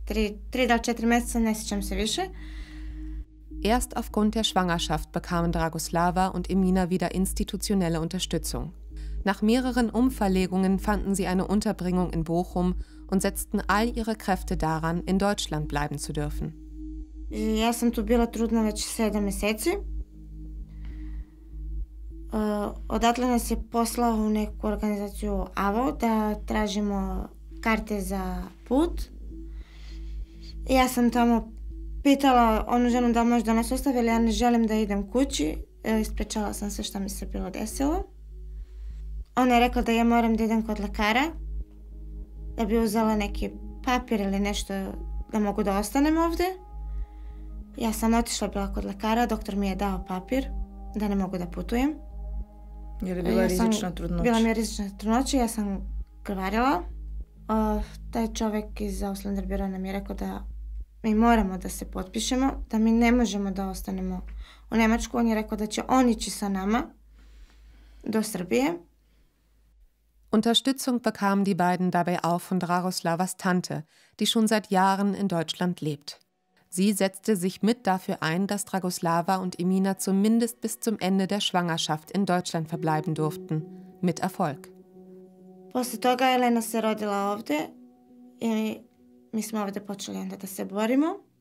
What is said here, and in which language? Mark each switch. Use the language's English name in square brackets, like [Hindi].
[Bosnian] 3 ili 4 mjeseca, ne sjećam se više. [German] Erst aufgrund der Schwangerschaft bekamen Dragoslava und Emina wieder institutionelle Unterstützung. Nach mehreren Umverlegungen fanden sie eine Unterbringung in Bochum und setzten all ihre Kräfte daran, in Deutschland bleiben zu dürfen. [Bosnian] Ja sam tu bila trudna već 7 mjeseci. Odatle nas je poslao u neku organizaciju AVO da tražimo karte za put. Ja sam tamo pitala onu ženu da možda nas ostavi, ali ja ne želim da idem kući. Ispričala sam sve što mi se bilo desilo. Ona je rekla da ja moram da idem kod lekara. da bi uzela neki papir ili nešto da mogu da ostanem ovde. Ja sam otišla bila kod lekara, doktor mi je dao papir da ne mogu da putujem. Jer je bila rizična trudnoća. Bila mi je rizična trudnoća, ja sam krvarila. Taj čovjek iz Auslander Bira nam je rekao da mi moramo da se potpišemo, da mi ne možemo da ostanemo u Nemačku. On je rekao da će on ići sa nama do Srbije. [German] Unterstützung bekamen die beiden dabei auch von Dragoslavas Tante, die schon seit Jahren in Deutschland lebt. Sie setzte sich mit dafür ein, dass Dragoslava und Emina zumindest bis zum Ende der Schwangerschaft in Deutschland verbleiben durften. Mit Erfolg. [Bosnian] Posle toga Elena se rodila ovde i mi smo ovde počeli onda da se borimo.